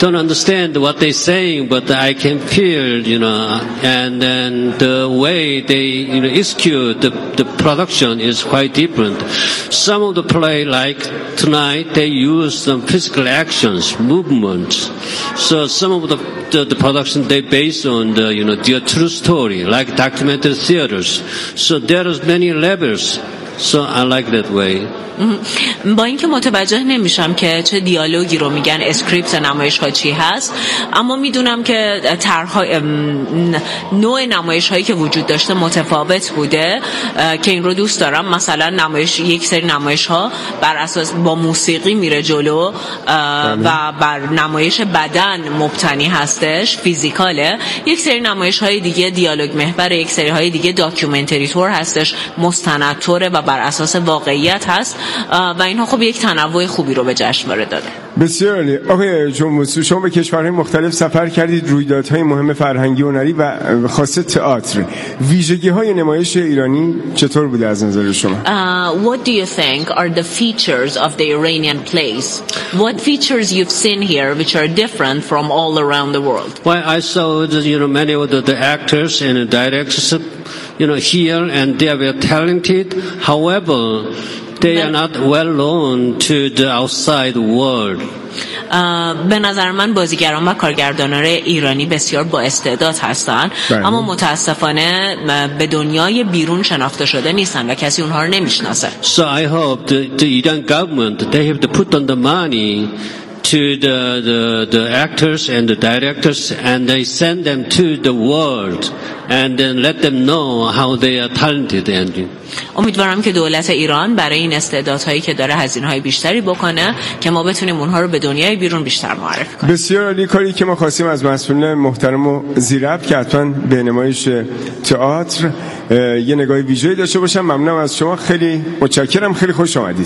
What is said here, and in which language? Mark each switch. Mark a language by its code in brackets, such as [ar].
[en] don't understand what they saying, but I can feel, you know, and then the way they, you know, execute the production is quite different. Some of the play, like tonight, they use some physical actions, movements. So some of the production, they based on the, you know, their true story, like documentary theaters. So there are many levels. So I like that way. [fa] با اینکه متوجه نمیشم که چه دیالوگی رو میگن، اسکریپت نمایش ها چی هست، اما میدونم که طرح نوع نمایش هایی که وجود داشته متفاوت بوده که این رو دوست دارم. مثلا نمایش، یک سری نمایش ها بر اساس با موسیقی میره جلو و بر نمایش بدن مبتنی هستش، فیزیکاله. یک سری نمایش های دیگه دیالوگ محور، یک سری های دیگه داکیومنتری تور هستش، مستند توره و بر اساس واقعیت هست و اینها خب یک تنوع خوبی رو به جشنواره داده. بسیار عالی. آقای جمعه، شما به کشورهای مختلف سفر کردید، رویدادهای مهم فرهنگی هنری و خاصه تئاتر. ویژگی های نمایش ایرانی چطور بوده از نظر شما؟ [en] What do you think are the features of the Iranian plays? What features you've seen here which are different from all around the world? Well, I saw you know, many of the actors and the directors you know, here and they were talented. However, they are not well known to the outside world. [fa] به نظر من بازیگران و کارگردانان ایرانی بسیار با استعداد هستند، اما متاسفانه به دنیای بیرون شناخته شده نیستند و کسی اونها رو نمیشناسه. [en] So I hope the Iran government they have to put on the money to the actors and the directors and they send them to the world and then let them know how they are talented and [fa] امیدوارم که دولت ایران برای این استعدادهایی که داره هزینه‌های بیشتری بکنه که ما بتونیم اونها رو به دنیای بیرون بیشتر معرفی کنیم. بسیار عالی. کاری که ما خواستیم از مسئولین محترم و زیرب که حتما به نمایش تئاتر یه نگاه ویژه‌ای داشته باشم. ممنونم از شما، خیلی متشکرم، خیلی خوش اومدید.